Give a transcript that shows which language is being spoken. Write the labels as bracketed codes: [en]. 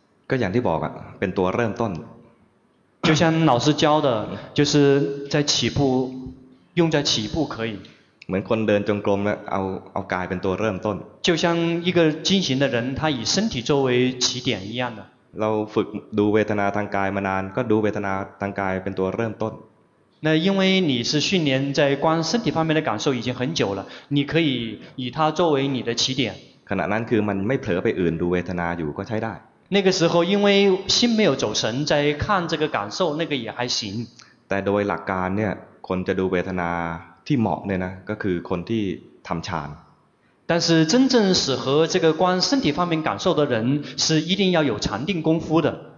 [th] ก็อย่างที่บอกอ่ะเป็นตัวเริ่มต้น [zh] 就像老师教的就是在起步用在起步可以 [th] เหมือนคนเดินจงกรมเอากายเป็นตัวเริ่มต้น [zh] 就像一个进行的人他以身体作为起点一样的 [th] เราฝึกดูเวทนาทางกายมานานก็ดูเวทนาทางกายเป็นตัวเริ่มต้น [zh] 那因为你是训练在观身体方面的感受已经很久了你可以以它作为你的起点 [th] ขณะนั้นคือมันไม่เผลอไปอื่นดูเวทนาอยู่ก็ใช้ได้ [zh] 那个时候因为心没有走神在看这个感受那个也还行 [th] แต่โดยหลักการเนี่ยคนจะดูเวทนาที่เหมาะเนี่ยนะก็คือคนที่ทำฌาน [zh] 但是真正适合这个观身体方面感受的人是一定要有禅定功夫的